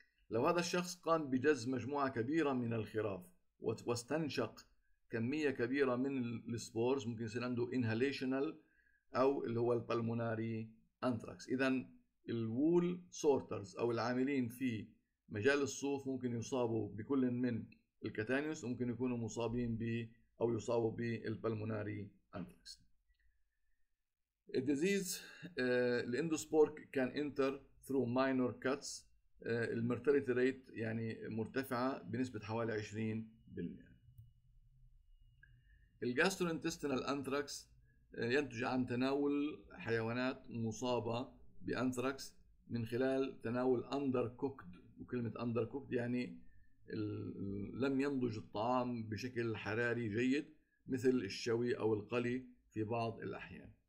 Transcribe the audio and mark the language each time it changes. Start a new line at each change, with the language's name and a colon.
Arabic: لو هذا الشخص قام بجز مجموعة كبيرة من الخراف واستنشق كمية كبيرة من السبورز، ممكن يصير عنده inhalational أو اللي هو البالموناري أنثراكس. إذن الوول سورترز أو العاملين في مجال الصوف ممكن يصابوا بكل من الكتانيوس، ممكن يكونوا مصابين ب أو يصابوا بالبالموناري أنثراكس.
English: Disease الاندوسبور can enter through minor cuts.
Arabic: المرتلتي ريت يعني مرتفعة بنسبة حوالي 20%. الجاسترونتستينال أنثراكس ينتج عن تناول حيوانات مصابة بأنثراكس من خلال تناول undercooked، وكلمة undercooked يعني لم ينضج الطعام بشكل حراري جيد مثل الشوي أو القلي في بعض الأحيان.